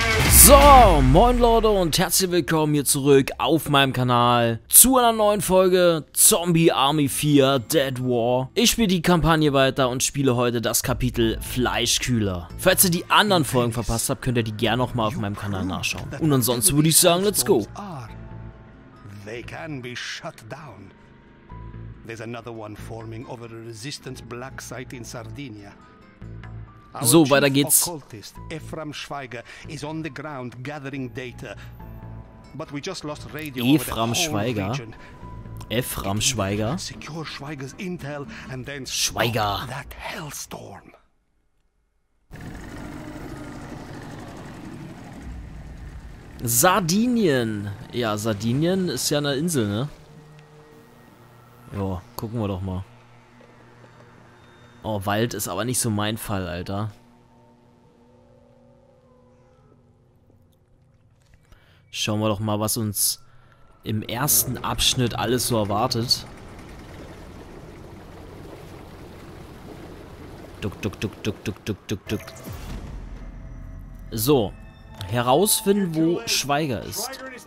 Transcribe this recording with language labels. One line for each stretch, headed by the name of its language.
German: So, moin Leute und herzlich willkommen hier zurück auf meinem Kanal zu einer neuen Folge Zombie Army 4 Dead War. Ich spiele die Kampagne weiter und spiele heute das Kapitel Fleischkühler. Falls ihr die anderen Folgen verpasst habt, könnt ihr die gerne nochmal auf meinem Kanal nachschauen. Und ansonsten würde ich sagen,
English: let's go. They can be shut down. There's another one forming over a resistance black site in Sardinia.
German: So, weiter geht's.
English: Our chief occultist, Ephraim Schweiger, is on the ground gathering data. But we just lost radio over the whole Schweiger. Region. Ephraim Schweiger? Secure Schweiger's intel and then Schweiger. Stop that hellstorm.
German: Sardinien. Ja, Sardinien ist ja eine Insel, ne? Jo, gucken wir doch mal. Oh, Wald ist aber nicht so mein Fall, Alter. Schauen wir doch mal, was uns im ersten Abschnitt alles so erwartet.
English: Duck, duck, duck, duck, duck, duck, duck, duck.
German: So. Herausfinden, wo Schweiger ist.